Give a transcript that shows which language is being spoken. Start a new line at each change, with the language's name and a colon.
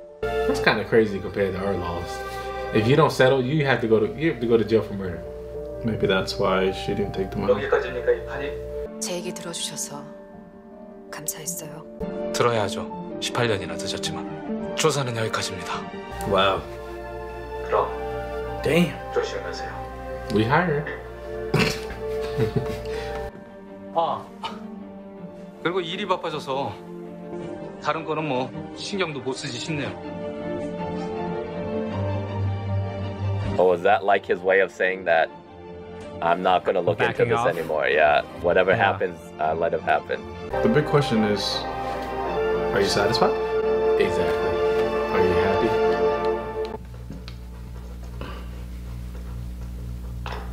English: That's kind of crazy compared to her loss. If you don't settle, you have to go to jail for murder. Maybe that's why she didn't take the money.
Korean: 여기까지입니까 이 판이? 제 얘기 들어주셔서 감사했어요. 들어야죠. 18년이나 늦었지만 조사는 여기까지입니다.
English: Wow.
Korean: 그럼.
English: Damn.
Korean: 조심히 가세요.
English: We hire. 아.
Korean: 그리고 일이 바빠져서 다른 거는 뭐 신경도 못 쓰지 싶네요.
English: Oh, was that like his way of saying that? I'm not gonna look into this anymore. Yeah, whatever happens, let it happen. The big question is, are you satisfied? Exactly. Are you happy?